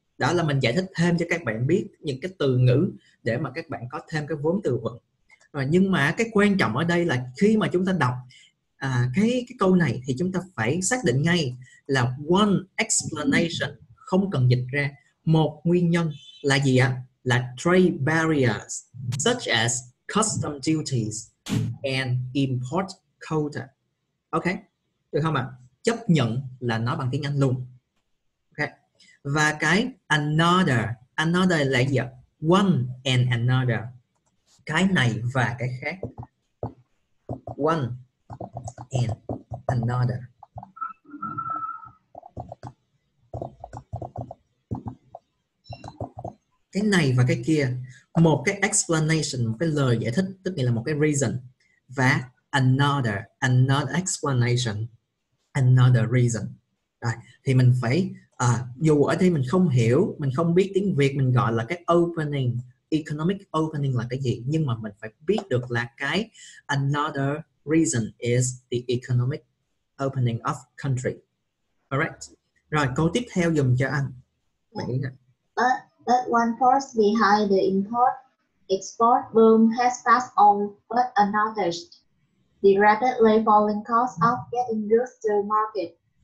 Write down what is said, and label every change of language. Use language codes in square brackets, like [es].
[vi] Đó là mình giải thích thêm cho các bạn biết những cái từ ngữ để mà các bạn có thêm cái vốn từ vựng. Rồi, nhưng mà cái quan trọng ở đây là khi mà chúng ta đọc cái câu này thì chúng ta phải xác định ngay là [en] one explanation, [vi] không cần dịch ra, một nguyên nhân là gì ạ? Là [en] trade barriers such as custom duties and import quota. [vi] Ok, được không ạ? Chấp nhận là nó bằng tiếng Anh luôn. Và cái another, another là gì ạ? [en] One and another, [vi] cái này và cái khác. [en] One and another. [vi] Cái này và cái kia, một cái explanation, một cái lời giải thích, tức nghĩa là một cái reason, và another, [en] another explanation, another reason. [vi] Rồi, thì mình phải dù ở đây mình không hiểu, mình không biết tiếng Việt, mình gọi là cái opening, economic opening là cái gì, nhưng mà mình phải biết được là cái [en] another reason is the economic opening of country. [vi] Alright. Rồi, câu tiếp theo dùm cho anh. Bạn nghĩ nào? [en] But one force behind the import export boom has passed on, but another, the rapidly falling cost of getting goods to market.